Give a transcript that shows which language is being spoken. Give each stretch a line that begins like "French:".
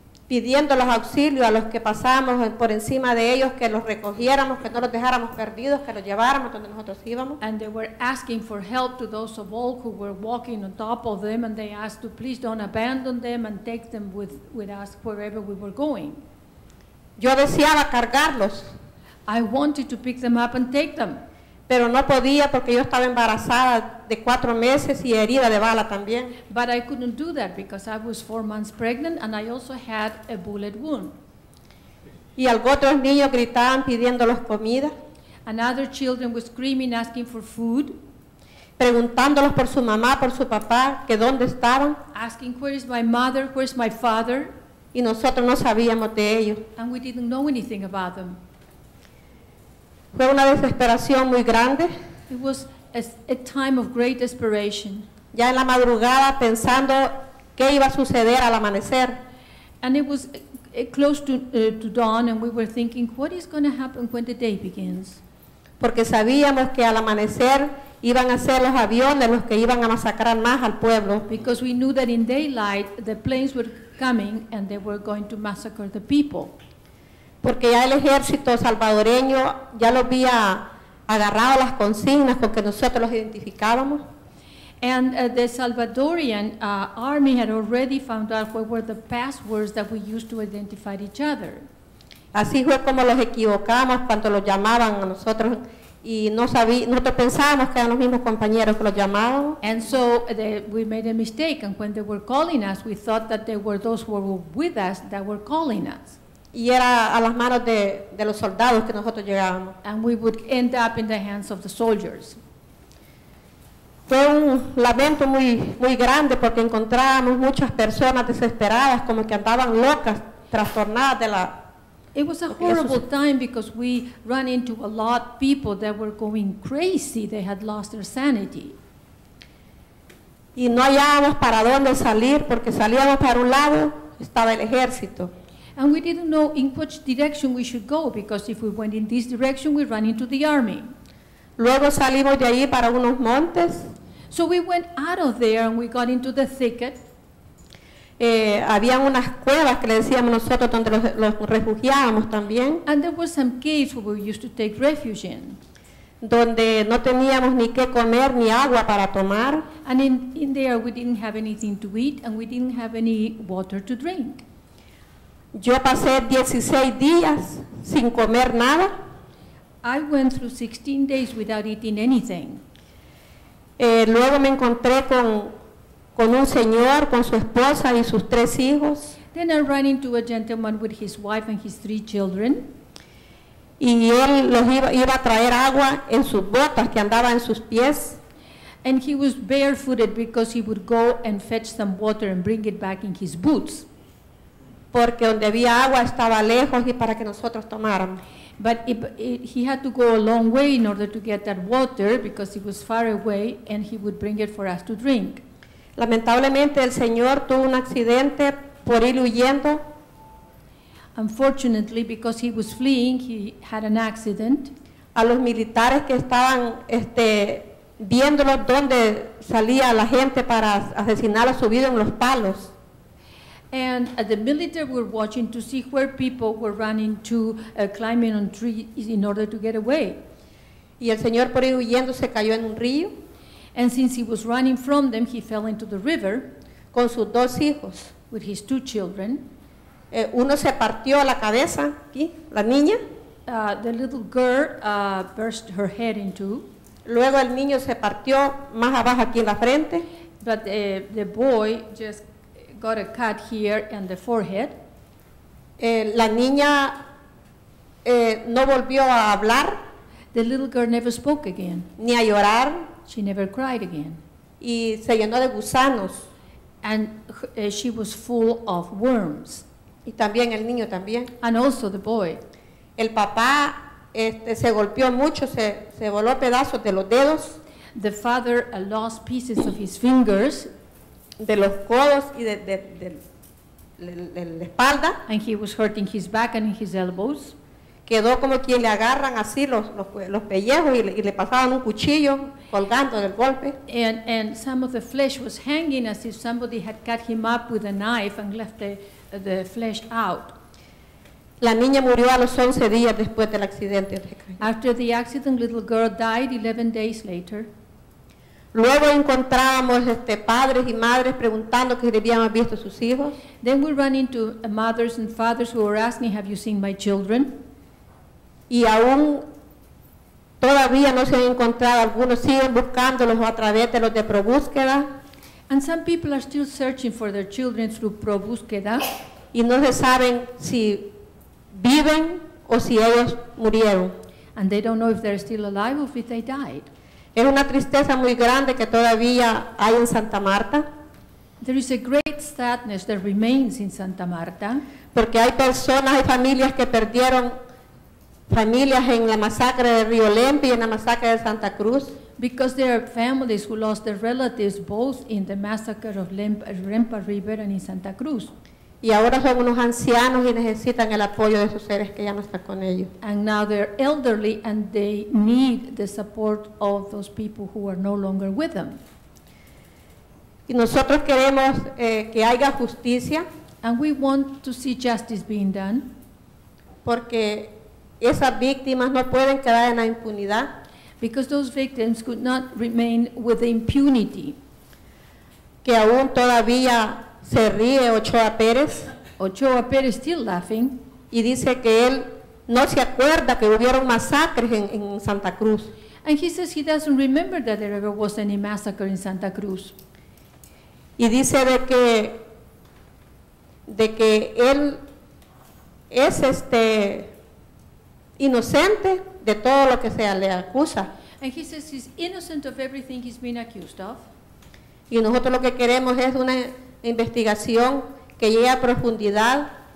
Spanish: Pidiendo los auxilios a los que pasábamos por encima de ellos que los recogiéramos, que no los dejáramos perdidos, que los lleváramos donde nosotros íbamos.
English: And they were asking for help to those of all who were walking on top of them, and they asked to please don't abandon them and take them with us wherever we were going.
Spanish: Yo deseaba cargarlos.
English: I wanted to pick them up and take them.
Spanish: Pero no podía porque yo estaba embarazada de 4 meses y herida de bala también.
English: But I couldn't do that because I was 4 months pregnant and I also had a bullet wound.
Spanish: Y otros niños gritaban pidiéndolos comida.
English: And other children were screaming, asking for food.
Spanish: Preguntándolos por su mamá, por su papá, que dónde estaban.
English: Asking, where is my mother, where is my father?
Spanish: Y nosotros no sabíamos de ellos.
English: And we didn't know anything about them.
Spanish: Fue una desesperación muy grande.
English: It was a time of great desperation.
Spanish: Ya en la madrugada pensando qué iba a suceder al amanecer.
English: And it was close to dawn and we were thinking, what is going to happen when the day begins?
Spanish: Porque sabíamos que al amanecer iban a ser los aviones los que iban a masacrar más al pueblo.
English: Because we knew that in daylight the planes were coming and they were going to massacre the people.
Spanish: Porque ya el ejército salvadoreño ya lo había agarrado las consignas con que nosotros los identificábamos.
English: And the Salvadoran army had already found out what were the passwords that we used to identify each other.
Spanish: Así fue como los equivocamos cuando los llamaban a nosotros y no nosotros pensábamos que eran los mismos compañeros que los llamaban.
English: And so we made a mistake, and when they were calling us, we thought that they were those who were with us that were calling us.
Spanish: Y era a las manos de los soldados que nosotros llegábamos.
English: And we would end up in the hands of the soldiers.
Spanish: Fue un lamento muy, muy grande porque encontrábamos muchas personas desesperadas, como que andaban locas, trastornadas de la...
English: It was a horrible time because we ran into a lot of people that were going crazy. They had lost their sanity.
Spanish: Y no hallábamos para dónde salir porque salíamos para un lado, estaba el ejército.
English: And we didn't know in which direction we should go because if we went in this direction, we ran into the army.
Spanish: Luego salimos de allí para unos montes.
English: So we went out of there and we got into the thicket.
Spanish: Había unas cuevas que le decíamos nosotros donde los refugiábamos también.
English: And there were some caves where we used to take refuge in.
Spanish: Donde no teníamos ni qué comer ni agua para tomar.
English: And in there we didn't have anything to eat and we didn't have any water to drink.
Spanish: Yo pasé 16 días sin comer nada.
English: I went through 16 days without eating anything.
Spanish: Luego me encontré con un señor, con su esposa y sus 3 hijos.
English: Then I ran into a gentleman with his wife and his 3 children.
Spanish: Y él los iba a traer agua en sus botas que andaba en sus pies.
English: And he was barefooted because he would go and fetch some water and bring it back in his boots.
Spanish: Porque donde había agua estaba lejos y para que nosotros tomáramos.
English: But he had to go a long way in order to get that water because it was far away and he would bring it for us to drink.
Spanish: Lamentablemente el señor tuvo un accidente por ir huyendo.
English: Unfortunately, because he was fleeing, he had an accident.
Spanish: A los militares que estaban viéndolo donde salía la gente para asesinarlo subido en los palos.
English: And the military were watching to see where people were running to, climbing on trees in order to get away.
Spanish: Y el señor por ir huyendo se cayó en un río.
English: And since he was running from them, he fell into the river.
Spanish: Con sus 2 hijos.
English: With his 2 children.
Spanish: Uno se partió la cabeza, aquí, la niña.
English: The little girl burst her head in two.
Spanish: Luego el niño se partió más abajo aquí en la frente.
English: But the boy just got a cut here in the forehead.
Spanish: La niña no volvió a hablar.
English: The little girl never spoke again.
Spanish: Ni a llorar.
English: She never cried again.
Spanish: Y se llenó de gusanos.
English: And she was full of worms.
Spanish: Y también el niño también.
English: And also the boy.
Spanish: El papá se golpeó mucho, se voló pedazos de los dedos.
English: The father lost pieces of his fingers.
Spanish: De los codos y de la espalda.
English: And he was hurting his back and his elbows.
Spanish: Quedó como quien le agarran así los pellejos y le pasaban un cuchillo colgando del golpe.
English: And some of the flesh was hanging as if somebody had cut him up with a knife and left the flesh out.
Spanish: La niña murió a los 11 días después del accidente.
English: After the accident, little girl died 11 days later.
Spanish: Luego encontrábamos padres y madres preguntando que si habíamos visto a sus hijos.
English: Then we ran into mothers and fathers who were asking, have you seen my children?
Spanish: y aún todavía no se han encontrado, algunos siguen buscándolos a través de los de ProBúsqueda.
English: And some people are still searching for their children through ProBúsqueda.
Spanish: Y no se saben si viven o si ellos murieron.
English: And they don't know if they're still alive or if they died.
Spanish: Es una tristeza muy grande que todavía hay en Santa Marta.
English: There is a great sadness that remains in Santa Marta.
Spanish: Porque hay personas y familias que perdieron familias en la masacre de Río Lempi y en la masacre de Santa Cruz.
English: Because there are families who lost their relatives both in the massacre of Lempa River and in Santa Cruz.
Spanish: Y ahora son unos ancianos y necesitan el apoyo de sus seres que ya no están con ellos.
English: And now they're elderly and they need the support of those people who are no longer with them.
Spanish: Y nosotros queremos que haya justicia.
English: And we want to see justice being done.
Spanish: Porque esas víctimas no pueden quedar en la impunidad.
English: Because those victims could not remain with the impunity.
Spanish: Que aún todavía se ríe Ochoa Pérez.
English: Ochoa Pérez still laughing.
Spanish: Y dice que él no se acuerda que hubieron masacres en Santa Cruz.
English: And he says he doesn't remember that there ever was any massacre in Santa Cruz.
Spanish: Y dice de que él es inocente de todo lo que se le acusa.
English: And he says he's innocent of everything he's been accused of.
Spanish: Y nosotros lo que queremos es una investigación que llegue a profundidad.